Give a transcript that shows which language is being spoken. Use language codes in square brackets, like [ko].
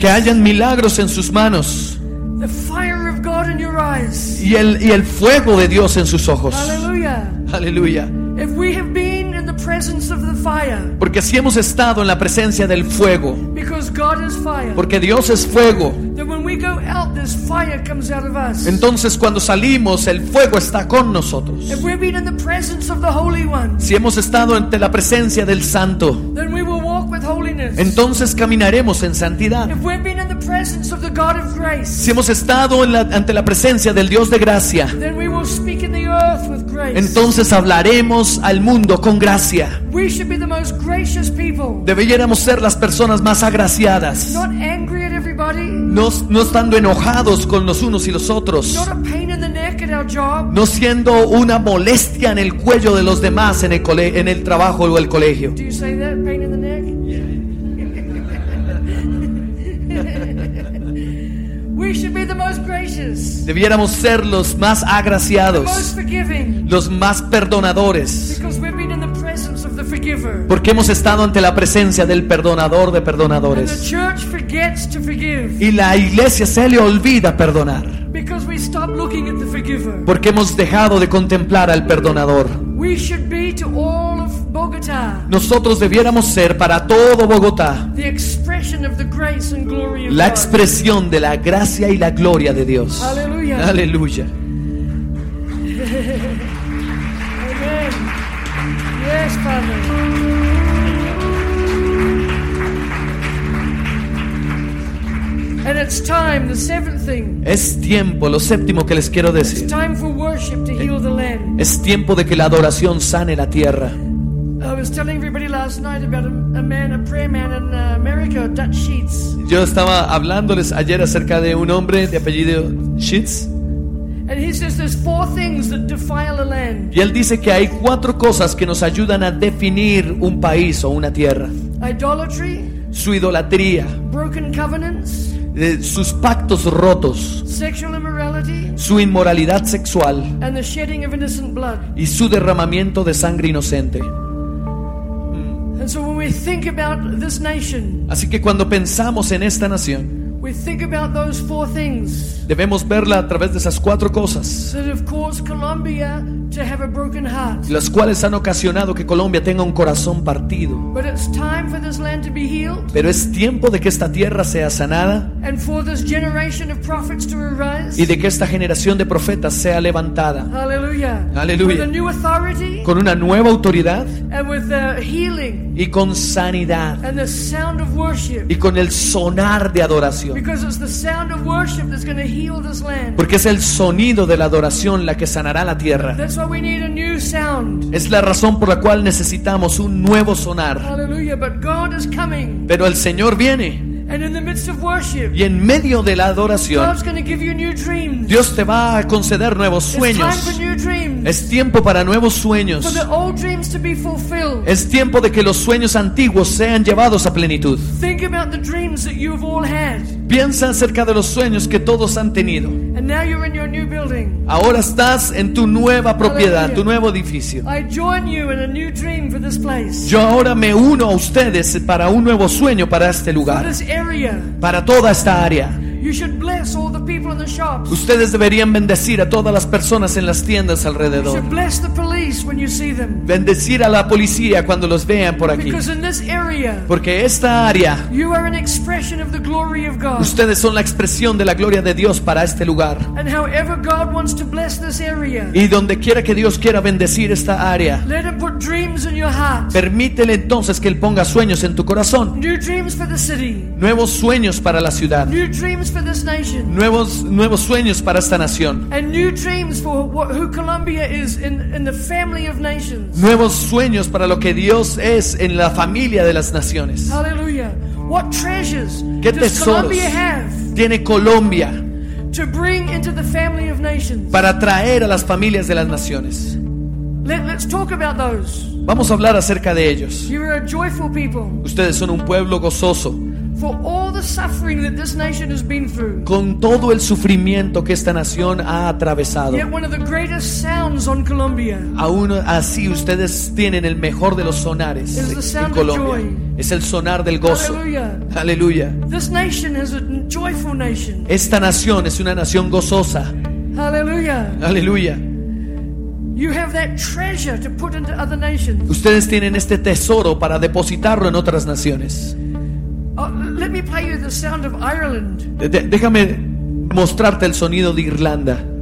[es] que hayan milagros en sus manos, [en] the fire of God in your eyes, [es] y el fuego de Dios en sus ojos. Aleluya. Aleluya. [en] If we have been in the presence of the fire. [es] Porque si hemos estado en la presencia del fuego. [en] Because God is fire. [es] Porque Dios es fuego. [en] Then when we go out, this fire comes out of us. [es] Entonces cuando salimos, el fuego está con nosotros. [en] If we've been in the presence of the Holy One. [es] Si hemos estado ante la presencia del Santo. [en] Then we will walk with holiness. [es] Entonces caminaremos en santidad. [en] If we've been in the presence of the God of grace. [es] Si hemos estado ante la presencia del Dios de gracia. [en] Then we will speak in the earth with grace. [es] Entonces hablaremos al mundo con gracia. [en] We should be the most gracious people. [es] Deberíamos ser las personas más agraciadas. [en] Not angry at everybody. [es] No estando enojados con los unos y los otros. [en] Not a pain in the neck at our job. [es] No siendo una molestia en el cuello de los demás en el trabajo o el colegio. [en] Do you say that, pain in the neck? We should be the most gracious. [es] Debiéramos ser los más agraciados. [en] The most forgiving. [es] Los más perdonadores. [en] Because we've been in the presence of the forgiver. [es] Porque hemos estado ante la presencia del perdonador de perdonadores. [en] And the church forgets to forgive. [es] Y la iglesia se le olvida perdonar. [en] Because we stop looking at the forgiver. [es] Porque hemos dejado de contemplar al perdonador. [en] We should be to all of Bogotá. [es] Nosotros debiéramos ser para todo Bogotá. [en] The expression of the grace and glory of God. [es] La expresión de la gracia y la gloria de Dios. Aleluya. Aleluya. [en] Amen. Yes, Father. And it's time, the seventh thing. [es] Es tiempo, lo séptimo que les quiero decir. [en] It's time for worship to heal the land. [es] Es tiempo de que la adoración sane la tierra. [en] I was telling everybody last night about a prayer man in America, Dutch Sheets. [es] Yo estaba hablándoles ayer acerca de un hombre de apellido Sheets. [en] And he says there's four things that defile a land. [es] Y él dice que hay cuatro cosas que nos ayudan a definir un país o una tierra. [en] Idolatry. [es] Su idolatría. [en] Broken covenants. [es] Sus pactos rotos. [en] Sexual immorality. [es] Su inmoralidad sexual. [en] And the shedding of innocent blood. [es] Y su derramamiento de sangre inocente. [en] And so when we think about this nation. [es] Así que cuando pensamos en esta nación. [en] We think about those four things. [es] Debemos verla a través de esas cuatro cosas. [en] That have caused Colombia to have a broken heart. [es] Las cuales han ocasionado que Colombia tenga un corazón partido. [en] But it's time for this land to be healed. [es] Pero es tiempo de que esta tierra sea sanada. [en] And for this generation of prophets to arise. [es] Y de que esta generación de profetas sea levantada. [en] Hallelujah. Hallelujah. With a new authority. [es] Con una nueva autoridad. [en] And with the healing. [es] Y con sanidad. [en] And the sound of worship. [es] Y con el sonar de adoración. [en] Because it's the sound of worship that's going to heal this land. [es] Porque es el sonido de la adoración la que sanará la tierra. [en] That's why we need a new sound. [es] Es la razón por la cual necesitamos un nuevo sonar. [en] Hallelujah, but God is coming. [es] Pero el Señor viene. [en] And in the midst of worship, [es] y en medio de la adoración, [en] God's going to give you new dreams. [es] Dios te va a conceder nuevos sueños. [en] It's time for new dreams. [es] Es tiempo para nuevos sueños. [en] For the old dreams to be fulfilled. [es] Es tiempo de que los sueños antiguos sean llevados a plenitud. [en] Think about the dreams that you've all had. [es] Piensa acerca de los sueños que todos han tenido. [en] And now you're in your new building. [es] Ahora estás en tu nueva propiedad. [en] Hallelujah. [es] Tu nuevo edificio. [en] I join you in a new dream for this place. [es] Yo ahora me uno a ustedes para un nuevo sueño para este lugar. [en] For this area. [es] Para toda esta área. [en] You should bless all the people in the shops. [es] Ustedes deberían bendecir a todas las personas en las tiendas alrededor. [en] You should bless the police when you see them. [es] Bendecir a la policía cuando los vean por aquí. [en] Because in this area, [es] porque esta área, [en] you are an expression of the glory of God. [es] Ustedes son la expresión de la gloria de Dios para este lugar. [en] And however God wants to bless this area, [es] y donde quiera que Dios quiera bendecir esta área, [en] let him put dreams in your heart. [es] Permítele entonces que Él ponga sueños en tu corazón. [en] New dreams for the city. [es] Nuevos sueños para la ciudad. [en] New dreams for this nation. [es] Nuevos sueños para esta nación. [en] And new dreams for who Colombia is in the family of nations. [es] Nuevos sueños para lo que Dios es en la familia de las naciones. [en] Hallelujah. What treasures [es] ¿qué tesoros [en] does Colombia have [es] tiene Colombia [en] to bring into the family of nations? [es] Para traer a las familias de las naciones. [en] Let's talk about those. [es] Vamos a hablar acerca de ellos. [en] You are a joyful people. [es] Ustedes son un pueblo gozoso. [en] For all the suffering that this nation has been through. [es] Con todo el sufrimiento que esta nación ha atravesado. [en] Yet one of the greatest sounds on Colombia. [es] Aún así ustedes tienen el mejor de los sonares en Colombia. [en] Of joy. [es] Es el sonar del gozo. [en] Hallelujah. Hallelujah. This nation is a joyful nation. [es] Esta nación es una nación gozosa. [en] Hallelujah. Hallelujah. You have that treasure to put into other nations. [es] Ustedes tienen este tesoro para depositarlo en otras naciones. [en] Let me play you the sound of Ireland. [es] Déjame mostrarte el sonido de Irlanda.